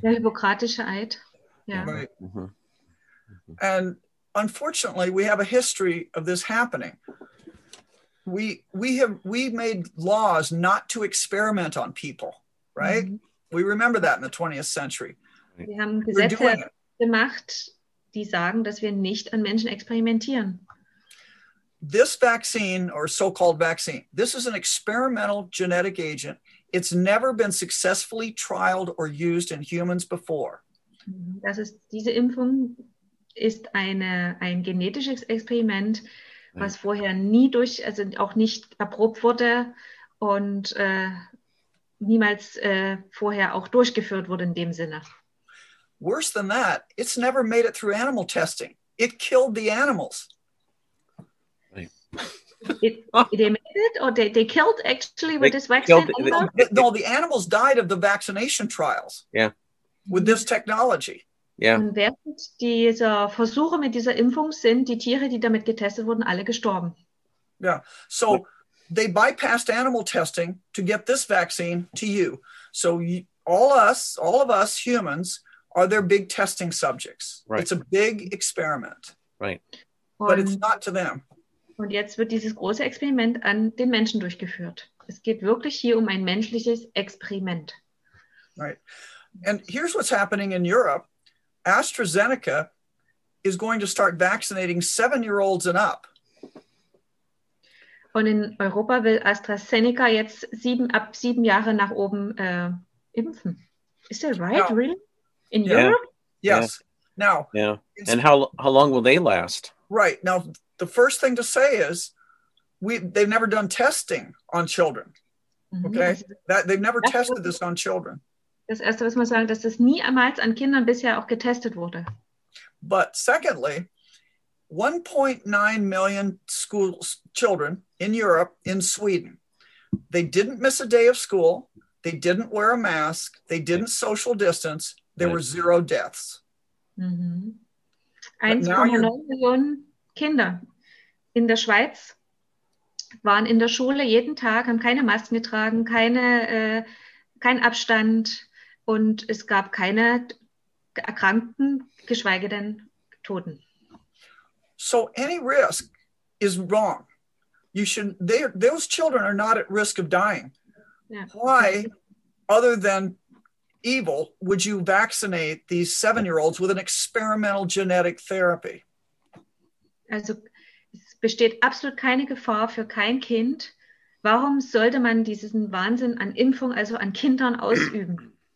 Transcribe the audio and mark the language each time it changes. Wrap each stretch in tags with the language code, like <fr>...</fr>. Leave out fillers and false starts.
<de>Der Hippokratische Eid, ja.</de> <en>Right. Mm-hmm. And unfortunately, we have a history of this happening. We made laws not to experiment on people. Right? Mm-hmm. We remember that in the 20th century.</en> <de>Wir haben Gesetze gemacht, die sagen, dass wir nicht an Menschen experimentieren.</de> <en>This vaccine, or so-called vaccine, this is an experimental genetic agent. It's never been successfully trialed or used in humans before.</en> <de>Das ist, diese Impfung ist ein genetisches Experiment, was vorher nie durch, also auch nicht erprobt wurde und niemals vorher auch durchgeführt wurde in dem Sinne.</de> <en>Worse than that, it's never made it through animal testing. It killed the animals. They killed actually with this vaccine? No, the animals died of the vaccination trials. Yeah. With this technology. Yeah.</en> <de>Und während dieser Versuche mit dieser Impfung sind die Tiere, die damit getestet wurden, alle gestorben.</de> <en>Yeah. So they bypassed animal testing to get this vaccine to you. So all of us humans are their big testing subjects. Right. It's a big experiment. Right. But it's not to them.</en> <de>Und jetzt wird dieses große Experiment an den Menschen durchgeführt. Es geht wirklich hier um ein menschliches Experiment.</de> <en>Right. And here's what's happening in Europe. AstraZeneca is going to start vaccinating 7-year-olds and up.</en> <de>Und in Europa will AstraZeneca jetzt ab sieben Jahre nach oben impfen.</de> <en>Is that right, now, really? In Europe? Yes. Yeah. Now. Yeah. And how long will they last? Right. Now, the first thing to say is they've never done testing on children. Okay? Mm-hmm. They've never tested this on children.</en> <de>Das Erste, was man sagen, dass das niemals an Kindern bisher auch getestet wurde.</de> <en>But secondly, 1.9 million children in Europe, in Sweden, they didn't miss a day of school, they didn't wear a mask, they didn't social distance, there were zero deaths. Mm-hmm.</en> <de>1,9 Millionen Kinder in der Schweiz waren in der Schule jeden Tag, haben keine Masken getragen, kein Abstand, und es gab keine Erkrankten, geschweige denn Toten.</de> <en>So any risk is wrong. Those children are not at risk of dying. Yeah. Why, other than evil, would you vaccinate these 7-year-olds with an experimental genetic therapy?</en> <de>Also es besteht absolut keine Gefahr für kein Kind. Warum sollte man diesen Wahnsinn an Impfung, also an Kindern, ausüben?</de>